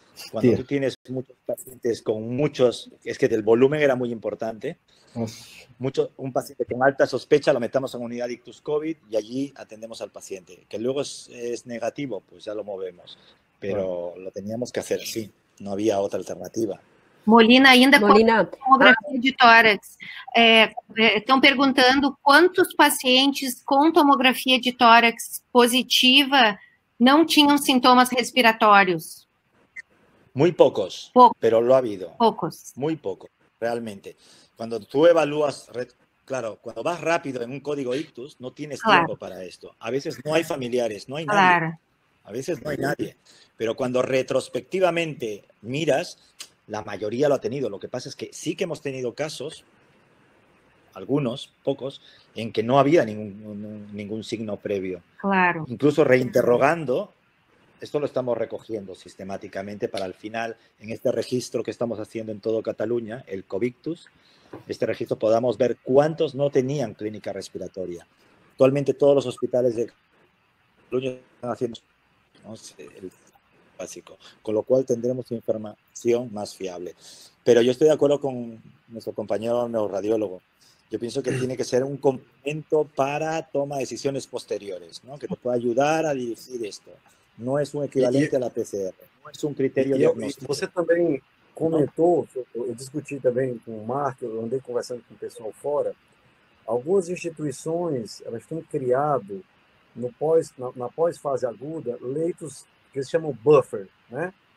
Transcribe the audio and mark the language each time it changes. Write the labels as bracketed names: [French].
[Spanish] Cuando tú tienes muchos pacientes con muchos, es que el volumen era muy importante. Un paciente con alta sospecha lo metamos en unidad de ictus COVID y allí atendemos al paciente. Que luego es negativo, pues ya lo movemos. Pero bueno, lo teníamos que hacer, sí. No había otra alternativa. [Portuguese] Molina, ainda Molina, com a tomografia de tórax. Estão perguntando quantos pacientes com tomografia de tórax positiva não tinham sintomas respiratórios. [Spanish] Muy pocos, pero lo ha habido. Pocos. Muy pocos, realmente. Cuando tú evalúas, claro, cuando vas rápido en un código ictus, no tienes tiempo para esto. A veces no hay familiares, no hay nadie. A veces no hay nadie. Pero cuando retrospectivamente miras, la mayoría lo ha tenido. Lo que pasa es que sí que hemos tenido casos, algunos, pocos, en que no había ningún signo previo. Claro. Incluso reinterrogando. Esto lo estamos recogiendo sistemáticamente para al final, en este registro que estamos haciendo en todo Cataluña, el COVICTUS, este registro podamos ver cuántos no tenían clínica respiratoria. Actualmente todos los hospitales de Cataluña están haciendo, ¿no?, el básico, con lo cual tendremos información más fiable. Pero yo estoy de acuerdo con nuestro compañero neurorradiólogo. Yo pienso que tiene que ser un complemento para toma de decisiones posteriores, ¿no?, que te pueda ayudar a dirigir esto. No es un equivalente a la PCR, no es un criterio diagnóstico. [Portuguese] Você também comentou, eu discuti também com o Mark, eu andei conversando com o pessoal fora, algumas instituições, elas têm criado, na pós-fase aguda, leitos que se chamam buffer, né?